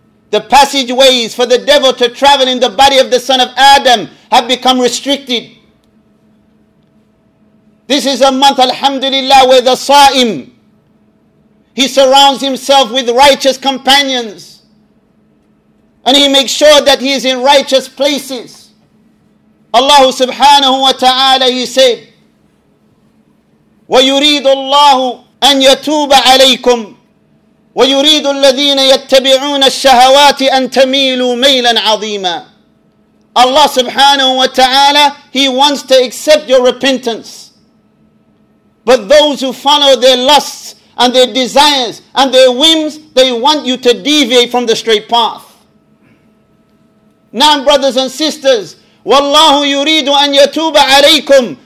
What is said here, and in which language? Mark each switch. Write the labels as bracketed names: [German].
[English] The passageways for the devil to travel in the body of the son of Adam have become restricted. This is a month, alhamdulillah, where the sa'im, he surrounds himself with righteous companions. And he makes sure that he is in righteous places. Allah subhanahu wa ta'ala, he said, [Arabic] وَيُرِيدُ اللَّهُ أن يتوب عليكم ويريد الذين يتبعون الشهوات أن تميلوا ميلا عظيما. [English] Allah subhanahu wa ta'ala, He wants to accept your repentance. But those who follow their lusts and their desires and their whims, they want you to deviate from the straight path. Now, brothers and sisters, [Arabic] Wallahu yuridu an yatuba alaykum.